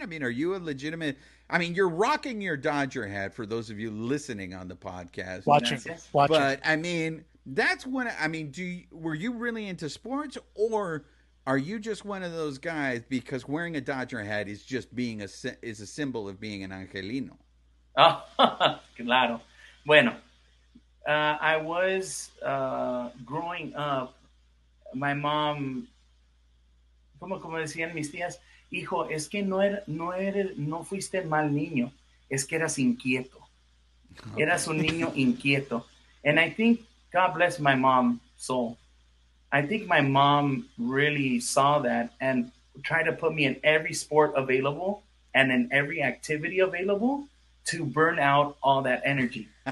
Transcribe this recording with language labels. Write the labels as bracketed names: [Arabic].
[English] I mean, are you a legitimate, I mean, you're rocking your Dodger hat for those of you listening on the podcast. Watching. But I mean, that's when, I mean, were you really into sports or are you just one of those guys because wearing a Dodger hat is just being is a symbol of being an Angelino? [Spanish] Oh, claro. Bueno. I was growing up, my mom, como decían mis tías, hijo, es que no fuiste mal niño, es que eras inquieto. Okay. Eras un niño inquieto. [English] And I think, God bless my mom, so I think my mom really saw that and tried to put me in every sport available and in every activity available to burn out all that energy.